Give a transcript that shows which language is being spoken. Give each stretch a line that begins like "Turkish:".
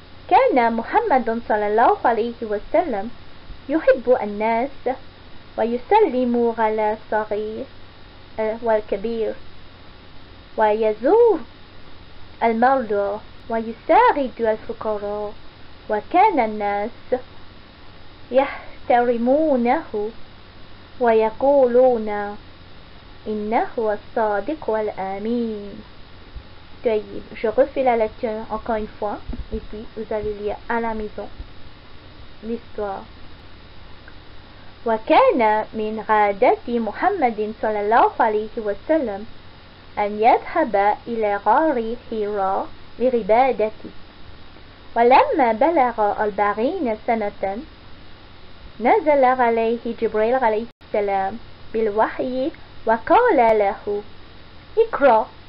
Arabic: كان محمد صلى الله عليه وسلم يحب الناس ويسلم على الصغير والكبير، ويزور المرضى ويساعد الفقراء، وكان الناس يحترمونه ويقولون إنه الصادق الأمين.
French: طيب، je refais la lecture encore une fois et puis vous allez lire à la maison l'histoire.
Arabic: وكان من عادة محمد صلى الله عليه وسلم أن يذهب إلى غار حراء لعبادة. ولما بلغ 40 سنة، نزل عليه جبريل عليه السلام بالوحي وقال له اقرأ.